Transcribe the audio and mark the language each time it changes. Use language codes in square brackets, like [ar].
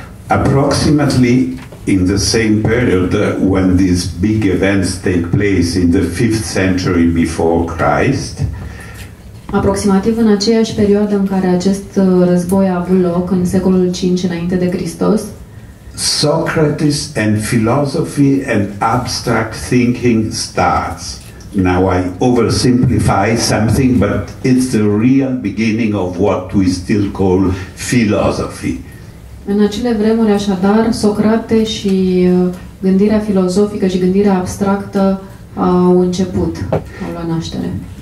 [en] Approximately in the same period when these big events take place in the 5th century before Christ. [ro] Aproximativ în aceeași perioadă în care acest război a avut loc, în secolul 5 înainte de Hristos, [en] Socrates and philosophy and abstract thinking starts. Now I oversimplify something, but it's the real beginning of what we still call philosophy. [ro] În acele vremuri, așadar, Socrate și gândirea filozofică și gândirea abstractă au început, au luat naștere.